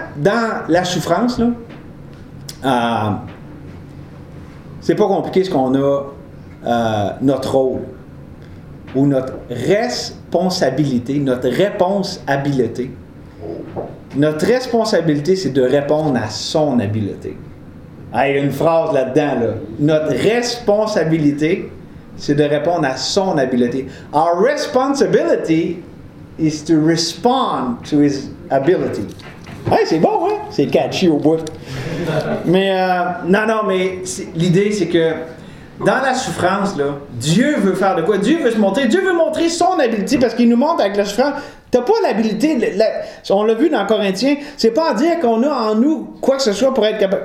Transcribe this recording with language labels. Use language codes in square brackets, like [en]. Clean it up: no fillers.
[fr] Dans la souffrance, là, c'est pas compliqué ce qu'on a notre rôle ou notre responsabilité, notre réponse-habileté. Notre responsabilité, c'est de répondre à son habileté. Ah, il y a une phrase là-dedans, là. Notre responsabilité, c'est de répondre à son habileté. [en] Our responsibility is to respond to his ability. [fr] Hey, c'est bon, hein? C'est catchy au bout. Mais mais l'idée, c'est que dans la souffrance, là, Dieu veut faire de quoi? Dieu veut se montrer. Dieu veut montrer son habileté parce qu'il nous montre avec la souffrance. T'as pas l'habileté. On l'a vu dans Corinthiens. C'est pas à dire qu'on a en nous quoi que ce soit pour être capable.